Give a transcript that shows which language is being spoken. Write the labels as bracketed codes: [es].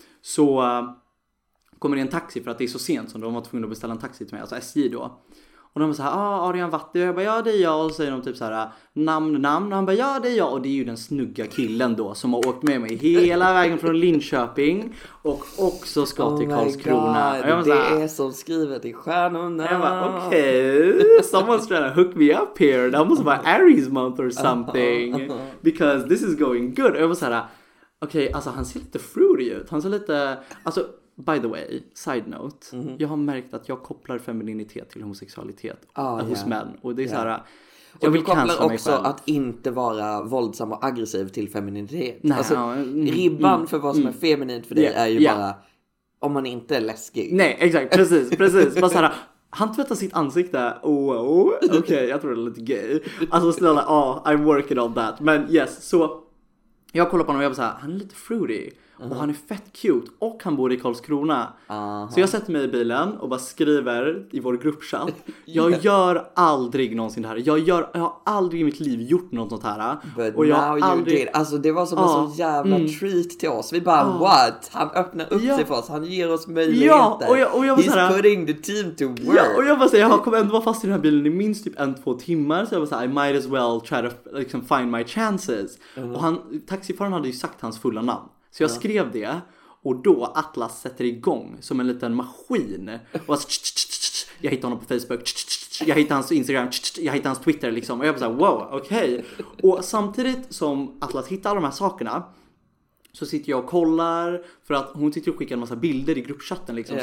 [sv] Så kommer det en taxi för att det är så sent som de var tvungna att beställa en taxi till mig, alltså SJ då. Och de bara såhär, Arian Vatti. Och jag bara, ja det är jag. Och så säger de typ såhär, namn. Och han bara, ja det är jag. Och det är ju den snygga killen då som har åkt med mig hela vägen från Linköping. Och också ska till Karlskrona. Oh my god, det är som skrivet i stjärnorna. Jag bara, okej. [en] Someone's trying to hook me up here. That must be Aries month or something. Because this is going good. [sv] Och jag bara såhär, okej, alltså han ser lite fruity ut. Han ser lite, alltså... [en] By the way, side note. [sv] Mm-hmm. Jag har märkt att jag kopplar femininitet till homosexualitet hos män. Och det är såhär, jag vill kopplar också själv. Att inte vara våldsam och aggressiv till femininitet. Nej, alltså, ribban för vad som är feminint för dig är ju bara, om man inte är läskig. Nej, exakt, precis. Bara såhär, han tvättar sitt ansikte. Okej, jag tror det är lite gay. Alltså snälla, [en] I'm working on that. [sv] Men yes, så jag kollar på honom och jag bara såhär, han är lite fruity. Uh-huh. Och han är fett cute och han bor i Karlskrona. Uh-huh. Så jag sätter mig i bilen och bara skriver i vår gruppchat. Jag gör aldrig någonsin det här. Jag har aldrig i mitt liv gjort något sånt här. [en] But [sv] och jag [en] now [sv] aldrig... [en] you did. [sv] Alltså det var som en sån jävla treat till oss. Vi bara, what? Han öppnar upp sig för oss. Han ger oss möjligheter. Ja, och jag [en] he's såhär, putting the team to work. [sv] Ja, och jag bara säger, jag kommer ändå vara fast i den här bilen i minst typ 1-2 timmar. Så jag bara såhär, [en] I might as well try to liksom find my chances. Uh-huh. [sv] Och taxifaren hade ju sagt hans fulla namn. Så jag skrev det och då Atlas sätter igång som en liten maskin och jag hittar honom på Facebook, jag hittar hans Instagram, jag hittar hans Twitter liksom. Och jag bara såhär, wow, okej. Och samtidigt som Atlas hittar alla de här sakerna så sitter jag och kollar, för att hon sitter och skickar en massa bilder i gruppchatten liksom.